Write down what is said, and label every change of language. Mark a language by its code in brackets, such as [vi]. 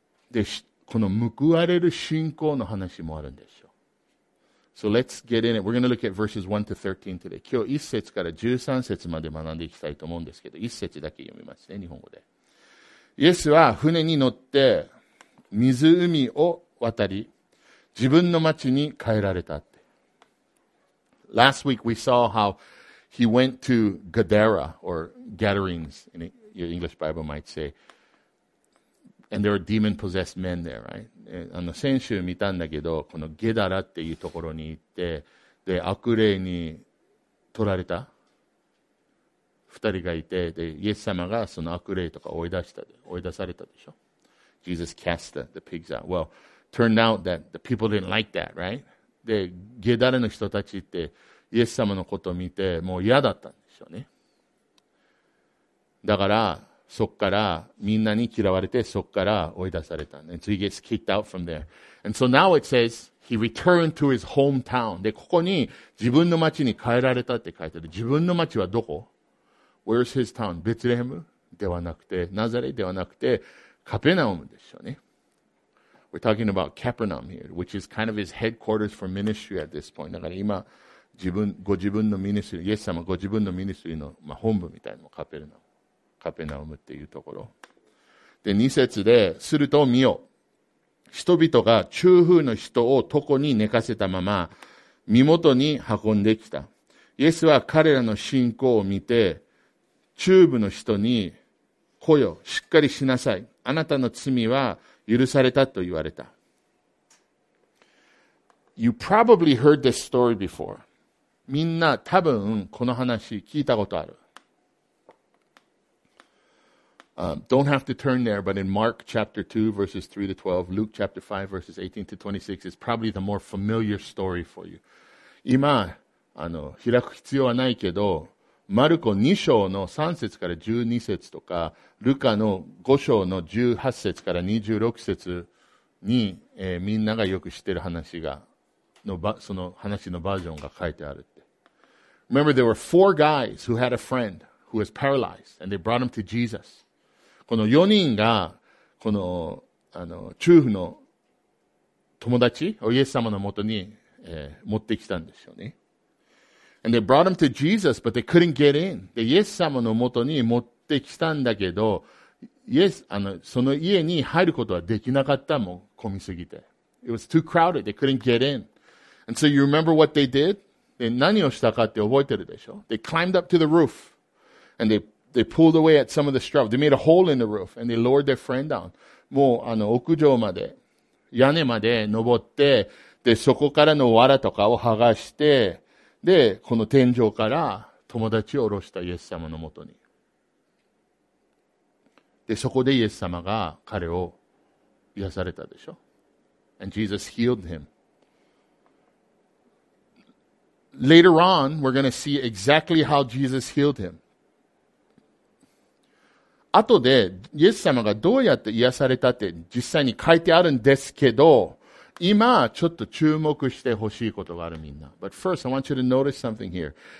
[ja] で、この報われる信仰の話もあるんでしょう。 [en] So let's get in it. We're going to look at verses 1 to 13 today. [ja] 今日1節から13節まで学んでいきたいと思うんですけど、1節だけ読みますね、日本語で。イエスは船に乗って湖を渡り、自分の町に帰られた。 [en] Last week we saw how he went to Gadara, or Gadarenes, in your English Bible might say. And there were demon-possessed men there, right? [ja] あの先週見たんだけど、このゲダラっていうところに行って、で、悪霊に取られた二人がいて、で、イエス様がその悪霊とか追い出した、追い出されたでしょ。 [en] Jesus cast the pigs out. Well, turned out that the people didn't like that, right? [ja] で、ゲダレの人たちってイエス様のことを見てもう嫌だったんでしょうね。だからそこからみんなに嫌われて、そこから追い出されたんで、 [en] And so he gets kicked out from there. And so now it says he returned to his hometown. [ja] で、ここに自分の町に帰られたって書いてある。自分の町はどこ？ [en] Where's his town? [ja] ベツレヘムではなくて、ナザレではなくて、カペナウムでしょうね。 [en] We're talking about Capernaum here, which is kind of his headquarters for ministry at this point. [ja] だから今、ご自分のミニストリー、イエス様ご自分のミニストリーの、まあ、本部みたいなのカペルナウム。カペナウムっていうところ。で、2節で、すると見よ。人々が中風の人を床に寝かせたまま、身元に運んできた。イエスは彼らの信仰を見て、中部の人に、来よ、しっかりしなさい。あなたの罪は、許されたと言われた。 [en] You probably heard this story before. [ja] みんな多分この話聞いたことある。 [en] Don't have to turn there, but in Mark chapter 2 verses 3 to 12, Luke chapter 5 verses 18 to 26 is probably the more familiar story for you. [ja] 今あの開く必要はないけど、マルコ2章の3節から12節とか、ルカの5章の18節から26節に、みんながよく知ってる話が、その話のバージョンが書いてあるって。 [en] Remember, there were four guys who had a friend who was paralyzed, and they brought him to Jesus. [ja] この4人が、この、中風の友達をイエス様のもとに、持ってきたんですよね。 [en] And they brought him to Jesus, but they couldn't get in. [ja] で、イエス様のもとに持ってきたんだけど、イエス、その家に入ることはできなかった、もう、混みすぎて。 [en] It was too crowded, they couldn't get in. And so you remember what they did? [ja] で、何をしたかって覚えてるでしょ？ [en] They climbed up to the roof. And they pulled away at some of the straw. They made a hole in the roof. And they lowered their friend down. [ja] もう、屋上まで、屋根まで登って、で、そこからの藁とかを剥がして、で、この天井から友達を下ろしたイエス様のもとに。で、そこでイエス様が彼を癒されたでしょ。 [en] And Jesus healed him. Later on, we're going to see exactly how Jesus healed him. [ja] 後でイエス様がどうやって癒されたって実際に書いてあるんですけど、今ちょっと注目してほしいことがあるみんな。 [en] But first, I want you to notice something here.